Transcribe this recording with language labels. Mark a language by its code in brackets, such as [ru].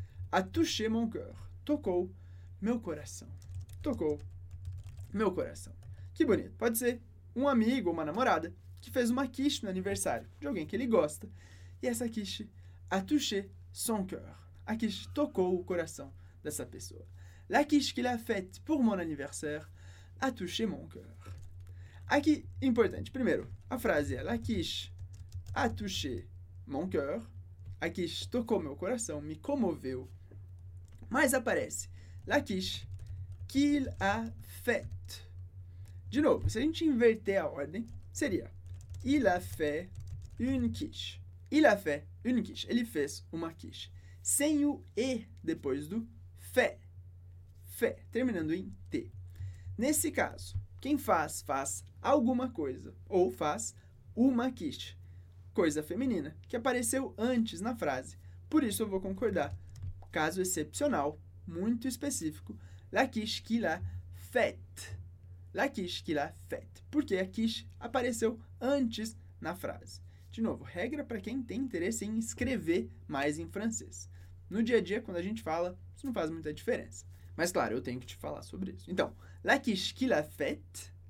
[fr] A touché mon cœur, [pt] tocou meu coração, tocou meu coração. Que bonito, pode ser um amigo ou uma namorada que fez uma quiche no aniversário de alguém que ele gosta. E essa quiche [fr] a touché son cœur. [pt] A quiche tocou o coração dessa pessoa. [fr] La quiche qu'il a faite pour mon anniversaire a touché mon cœur. [pt] Aqui, importante. Primeiro, a frase é [fr] la quiche a touché mon cœur. [pt] A quiche tocou meu coração, me comoveu. Mas aparece [fr] la quiche, qu'il a fait. [pt] De novo, se a gente inverter a ordem, seria [fr] il a fait une quiche. Il a fait une quiche. [pt] Ele fez uma quiche. Sem o E depois do fait. Fait, terminando em T. Nesse caso, quem faz, faz alguma coisa. Ou faz uma quiche. Coisa feminina, que apareceu antes na frase. Por isso eu vou concordar. Caso excepcional, muito específico. [fr] La quiche qu'il a fait. La quiche qu'il a fait. [pt] Porque a quiche apareceu antes na frase. De novo, regra para quem tem interesse em escrever mais em francês. No dia a dia, quando a gente fala, isso não faz muita diferença. Mas claro, eu tenho que te falar sobre isso. Então, [fr] la quiche qu'il a fait.